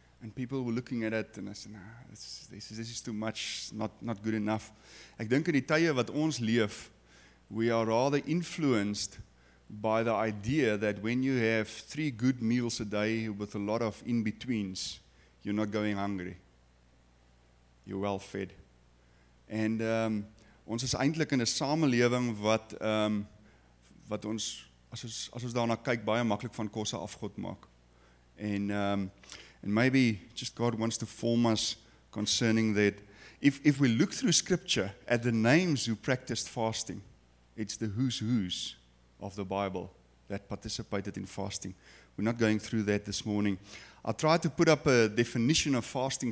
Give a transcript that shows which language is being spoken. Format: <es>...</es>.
<en>And people were looking at it and I said, nah, this is too much, not good enough.</en> <af>Ek dink in die tye wat ons leef,</af> <en>we are rather influenced by the idea that when you have 3 good meals a day with a lot of in-betweens, you're not going hungry. You're well fed.</en> <af>And ons is eintlik in 'n samelewing wat ons, as ons daarna kyk, baie maklik van kosse afgod maak.</af> <en>And maybe just God wants to form us concerning that. If we look through scripture at the names who practiced fasting, it's the who's of the Bible that participated in fasting. We're not going through that this morning. I'll try to put up a definition of fasting.</en>